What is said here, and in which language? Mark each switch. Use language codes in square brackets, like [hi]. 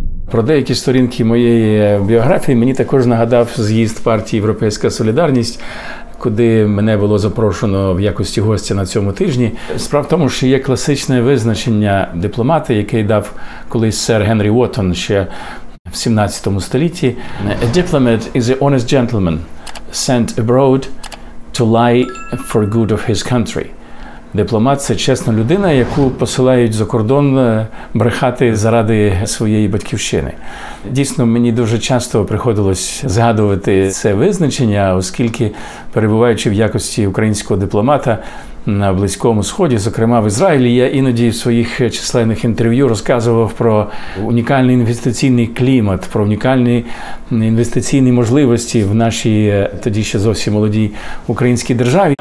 [uk] Про деякі сторінки моєї біографії мені також нагадав з'їзд партії «Європейська солідарність», куди мене було запрошено в якості гостя на цьому тижні. Справа в тому, що є класичне визначення дипломата, яке дав колись сер Генрі Уоттон ще в 17 столітті. [en] «A diplomat is an honest gentleman sent abroad to lie for good of his country». [uk] Дипломат – це чесна людина, яку посилають за кордон брехати заради своєї батьківщини. Дійсно, мені дуже часто приходилось згадувати це визначення, оскільки, перебуваючи в якості українського дипломата на Близькому Сході, зокрема в Ізраїлі, я іноді в своїх численних інтерв'ю розказував про унікальний інвестиційний клімат, про унікальні інвестиційні можливості в нашій тоді ще зовсім молодій українській державі.